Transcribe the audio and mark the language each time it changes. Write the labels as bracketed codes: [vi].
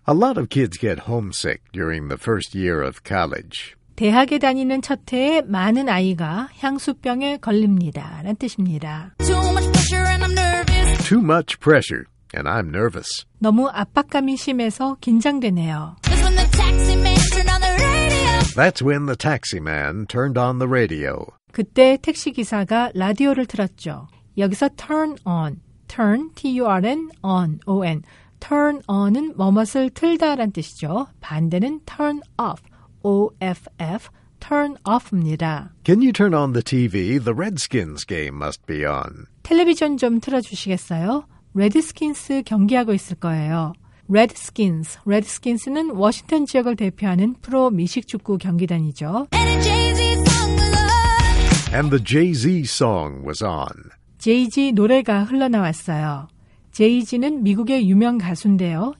[en] A lot of kids get homesick during the first year of college. [ko] 대학에 다니는 첫 해에 많은 아이가 향수병에 걸립니다. 라는 뜻입니다. [en] Too much pressure and I'm nervous. Too much pressure and I'm nervous. [ko] 너무 압박감이 심해서 긴장되네요. [en] That's when the taxi man turned on the radio. That's when the taxi man turned on the radio. [ko] 그때 택시기사가 라디오를 틀었죠. 여기서 [en] turn on, turn, T-U-R-N, on, O-N. [ko] Turn on은 뭐뭇을 틀다 라는 뜻이죠. 반대는 [en] turn off. [ko] O-F-F, turn off입니다. [en] Can you turn on the TV? The Redskins game must be on. [ko] 텔레비전 좀 틀어주시겠어요? 레드스킨스 경기하고 있을 거예요. Redskins, Redskins는 워싱턴 지역을 대표하는 프로 미식축구 경기단이죠. [en] And the Jay-Z song was on. And the Jay-Z song was on. [ko] Jay-Z 노래가 흘러나왔어요. 제이지는 미국의 유명 가수인데요.